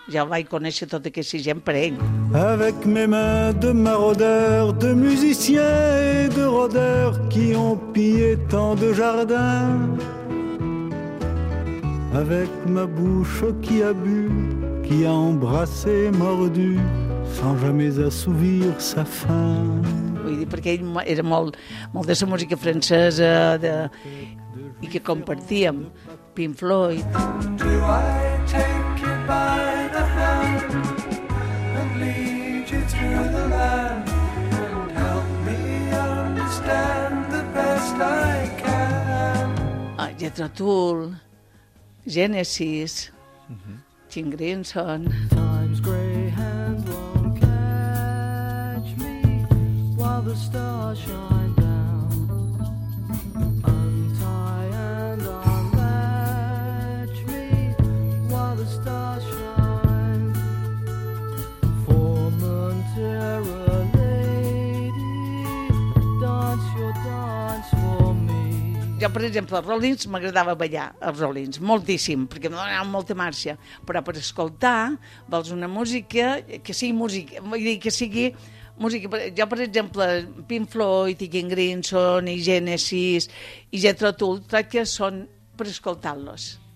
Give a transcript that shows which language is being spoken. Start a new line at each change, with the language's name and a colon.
Catalan: Ja el vaig conèixer tot aquesta gent per ell.
French: Avec mes mains de maraudeur, de musicien et de rodeur qui ont pillé tant de jardins. Avec ma bouche qui a bu, qui a embrassé, mordu, sans jamais assouvir sa faim.
Catalan: Vull dir, perquè ell era molt, molt de la música francesa de, i que compartíem Pink Floyd.
English: Do I take you by the hand and lead you through the land and help me understand the best I can.
Catalan: Lletra Tool, Genesis, Jim Grinson.
English: Time's grey hand won't catch me while the stars shine down. Untie and unlatch me while the stars shine. Formentera lady, dance your dance for me.
Catalan: Jo, per exemple, als Rollins m'agradava ballar, als Rollins, moltíssim, perquè em donava molta marxa. Però per escoltar, vols una música que sigui música, vull dir, que sigui música... Jo, per exemple, Pink Floyd, i King Crimson, i Genesis, i Jethro Tull, crec que són per escoltar-los.